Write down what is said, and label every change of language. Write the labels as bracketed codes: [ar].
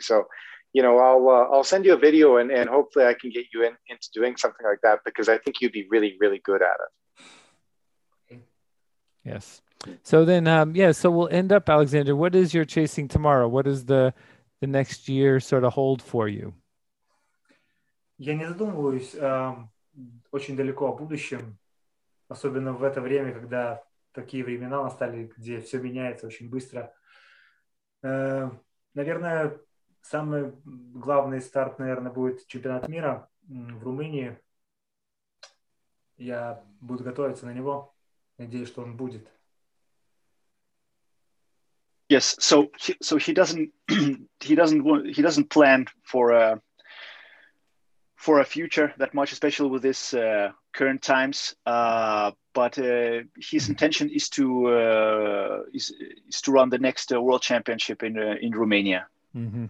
[en] So, you know, I'll send you a video and hopefully I can get you into doing something like that, because I think you'd be really, really good at it. Yes. So then, so we'll end up, Alexander, what is your chasing tomorrow? What does the next year sort of hold for you? [ru] Я не задумываюсь очень далеко о будущем, особенно в это время, когда такие времена настали, где все меняется очень быстро. Наверное, самый главный старт, наверное, будет чемпионат мира в Румынии. Я буду готовиться на него. Надеюсь, что он будет. [en] Yes, so he doesn't plan for a future that much, especially with this current times. But his intention is to run the next world championship in Romania, mm-hmm.